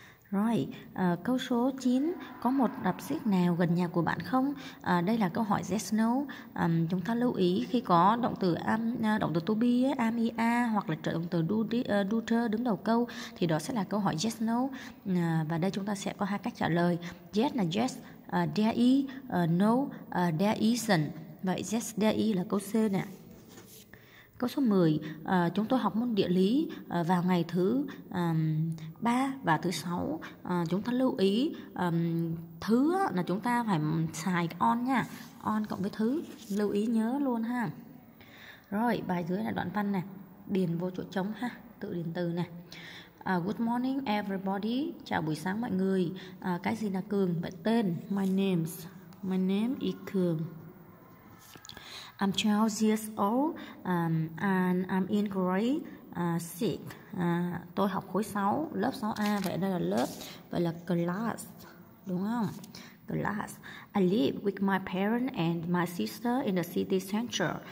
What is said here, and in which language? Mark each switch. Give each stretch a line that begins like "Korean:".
Vietnamese: Rồi, câu số 9, có một rạp xiếc nào gần nhà của bạn không? Đây là câu hỏi yes no. Chúng ta lưu ý khi có động từ to be am ia hoặc là trợ động từ do đứng đầu câu thì đó sẽ là câu hỏi yes no. Và đây chúng ta sẽ có hai cách trả lời.
English: Yes là yes, there is, no, there isn't.
Vietnamese: Vậy yes, there is là câu C nè. Câu số 10, chúng tôi học môn địa lý vào ngày thứ 3 và thứ 6. Chúng ta lưu ý thứ là chúng ta phải xài cái on nha. On cộng với thứ, lưu ý nhớ luôn ha. Rồi, bài dưới là đoạn văn này. Điền vô chỗ trống ha, tự điền từ này. Good morning everybody, chào buổi sáng mọi người. Cái gì là Cường? Vậy tên, my name is Cường.
English: I'm 12 years old and I'm in grade 6.
Vietnamese: Tôi học khối 6, lớp 6A. Vậy đây là lớp, vậy là class, đúng không?
English: Class. I live with my parents and my sister in the city center.